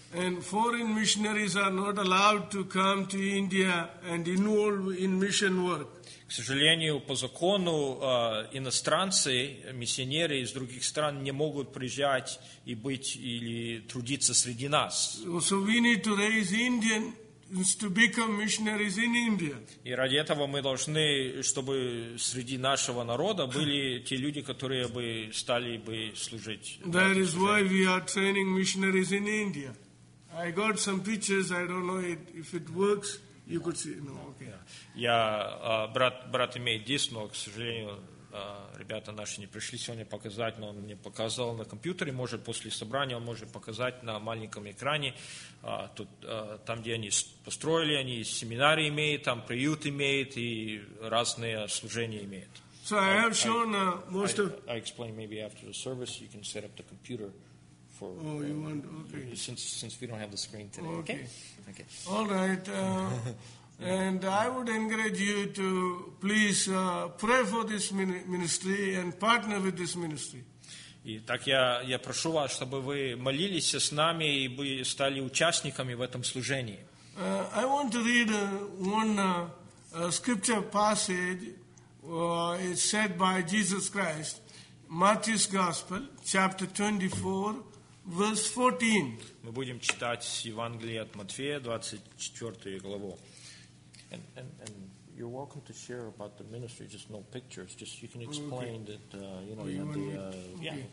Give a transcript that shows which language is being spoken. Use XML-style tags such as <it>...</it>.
<en>And foreign missionaries are not allowed to come to India and involve in mission work.</en> <ru>К сожалению, по закону иностранцы, миссионеры из других стран не могут приезжать и быть или трудиться среди нас.</ru> <en>So we need to raise Indians to become missionaries in India.</en> <ru>И ради этого мы должны, чтобы среди нашего народа были те люди, которые бы стали бы служить.</ru> <en>That is why we are training missionaries in India. I got some pictures. I don't know if it works. You could see. No, okay.</en> <ru>Я брат имеет диск, но, к сожалению, ребята наши не пришли сегодня показать, но он мне показал на компьютере, может, после собрания он может показать на маленьком экране, тут, там, где они построили, они семинары имеют, там приют имеют и разные служения имеют.</ru> <en>So I have shown most of... I explain maybe after the service you can set up the computer for... Oh, you want... Okay. Since we don't have the screen today, okay? All right. And I would encourage you to please pray for this ministry and partner with this ministry.</en> <ru>И так я прошу вас, чтобы вы молились с нами и вы стали участниками в этом служении.</ru> <en>I want to read one scripture passage. It's said by Jesus Christ, Matthew's Gospel, chapter 24. Verse 14.</en> <ru>Мы будем читать Евангелие от Матфея, 24 главу.</ru> <en>And you're welcome to share about the ministry, just no pictures. Just you can explain okay. That you know you the okay.</en>